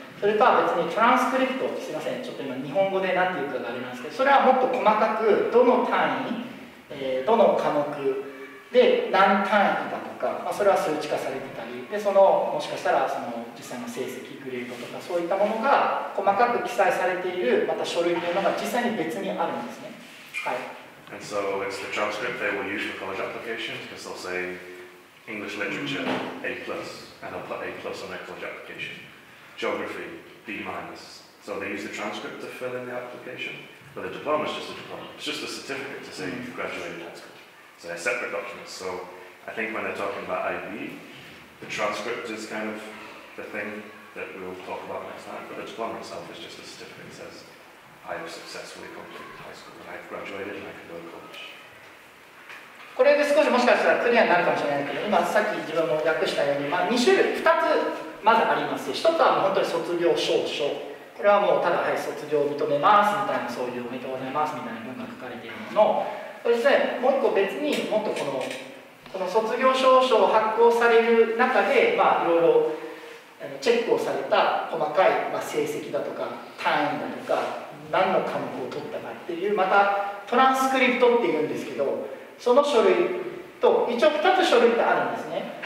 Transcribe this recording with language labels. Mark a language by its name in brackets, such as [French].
[Japanese] それとは別にトランスクリプト、すいません、ちょっと今日本語で何て言うかがありますけど、それはもっと細かく、どの単位、どの科目で何単位だとか、まあ、それは数値化されてたり、で、その、もしかしたらその実際の成績、グレードとか、そういったものが細かく記載されている、また書類というのが実際に別にあるんですね。はい。 [English] And so it's the transcript they will use for college applications, because they'll say, English literature, A plus, and I'll put A plus on my college application. Geography, B minus. So they use the transcript to fill in the application, but the diploma is just a diploma. It's just a certificate to say you've graduated high school. So they're separate documents. So I think when they're talking about IB, the transcript is kind of the thing that we'll talk about next time, but the diploma itself is just a certificate that says, I have successfully completed high school, and I've graduated and I can go to college. [Japanese] これで少しもしかしたらクリアになるかもしれないけど、今さっき自分も訳したように、まあ、2種類、2つまずあります。 1つはもう本当に卒業証書。これはもうただ、はい、卒業を認めますみたいな、そういうおめでとうございますみたいな文が書かれているものを、そしてもう1個別にもっとこの卒業証書を発行される中で、まあ、いろいろチェックをされた細かい、まあ、成績だとか単位だとか、何の科目を取ったかっていう、またトランスクリプトっていうんですけど、その書類と一応2つ書類ってあるんですね。